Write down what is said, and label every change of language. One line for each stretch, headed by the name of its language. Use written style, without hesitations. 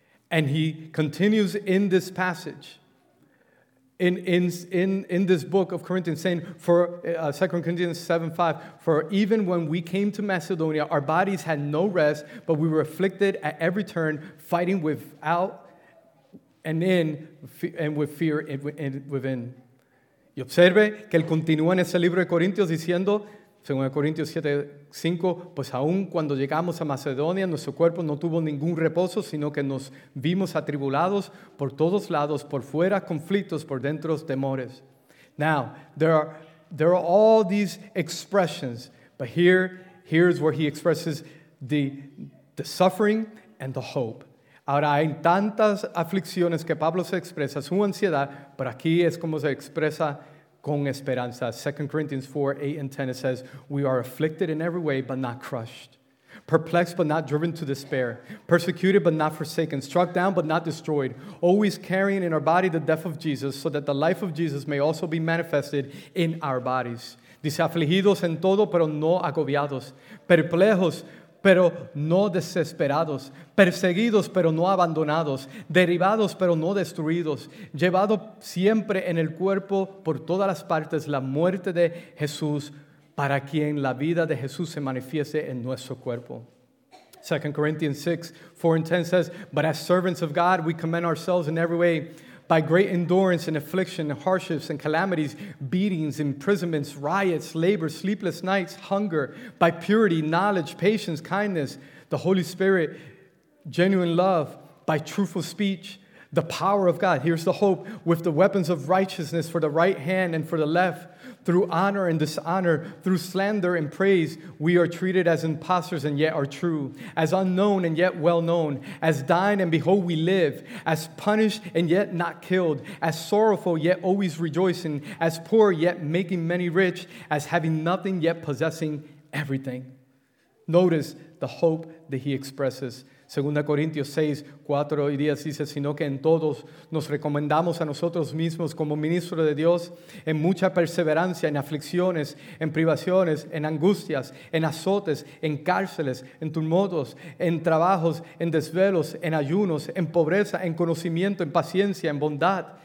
English: And he continues in this passage, in this book of Corinthians, saying, for 2 Corinthians 7:5, for even when we came to Macedonia, our bodies had no rest, but we were afflicted at every turn, fighting without and in, and with fear within.
Spanish: Y observe que él continúa en ese libro de Corintios diciendo, según Corintios 7:5, pues aún cuando llegamos a Macedonia, nuestro cuerpo no tuvo ningún reposo, sino que nos vimos atribulados por todos lados, por fuera conflictos, por dentro temores.
English: Now, there are all these expressions, but here's where he expresses the suffering and the hope.
Spanish: Ahora, hay tantas aflicciones que Pablo se expresa, su ansiedad, pero aquí es como se expresa con esperanza.
English: 2 Corinthians 4, 8 and 10, it says, we are afflicted in every way, but not crushed. Perplexed, but not driven to despair. Persecuted, but not forsaken. Struck down, but not destroyed. Always carrying in our body the death of Jesus, so that the life of Jesus may also be manifested in our bodies.
Spanish: Dice, afligidos en todo, pero no agobiados. Perplejos, pero no desesperados, perseguidos, pero no abandonados, derribados, pero no destruidos, llevado siempre en el cuerpo por todas las partes la muerte de Jesús, para quien la vida de Jesús se manifieste en nuestro cuerpo.
English: 2 Corinthians 6:4-10 says, but as servants of God, we commend ourselves in every way, by great endurance and affliction, and hardships and calamities, beatings, imprisonments, riots, labor, sleepless nights, hunger, by purity, knowledge, patience, kindness, the Holy Spirit, genuine love, by truthful speech, the power of God. Here's the hope, with the weapons of righteousness for the right hand and for the left, through honor and dishonor, through slander and praise, we are treated as imposters and yet are true, as unknown and yet well known, as dying and behold we live, as punished and yet not killed, as sorrowful yet always rejoicing, as poor yet making many rich, as having nothing yet possessing everything. Notice the hope that he expresses.
Spanish: 2 Corinthians 6:4-10 dice, sino que en todos nos recomendamos a nosotros mismos como ministro de Dios, en mucha perseverancia, en aflicciones, en privaciones, en angustias, en azotes, en cárceles, en tumultos, en trabajos, en desvelos, en ayunos, en pobreza, en conocimiento, en paciencia, en bondad,